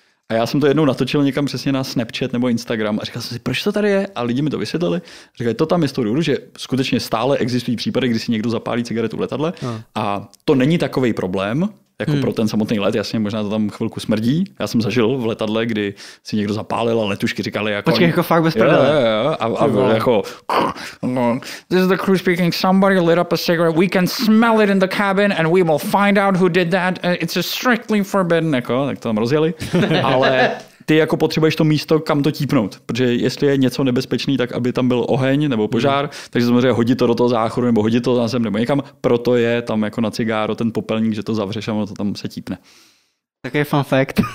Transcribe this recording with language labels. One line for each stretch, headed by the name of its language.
Czech: A já jsem to jednou natočil někam přesně na Snapchat nebo Instagram a říkal jsem si, proč to tady je? A lidi mi to vysvětlili. Říkali, to tam je z toho důvodu, že skutečně stále existují případy, kdy si někdo zapálí cigaretu v letadle. A to není takový problém, jako pro ten samotný let, jasně, možná to tam chvilku smrdí. Já jsem zažil v letadle, kdy si někdo zapálil a letušky říkali jako... Počkej, jako fakt bez prdele. A byl jako...
English: This is the crew speaking. Somebody lit up a cigarette. We can smell it in the cabin and we will find out who did that. It's a strictly forbidden.
Czech: Jako, tak to tam rozjeli. Ale ty jako potřebuješ to místo, kam to típnout. Protože jestli je něco nebezpečný, tak aby tam byl oheň nebo požár, takže samozřejmě hodit to do toho záchodu nebo hodit to na zem nebo někam. Proto je tam jako na cigáro ten popelník, že to zavřeš a ono to tam se típne. Tak je fun fact.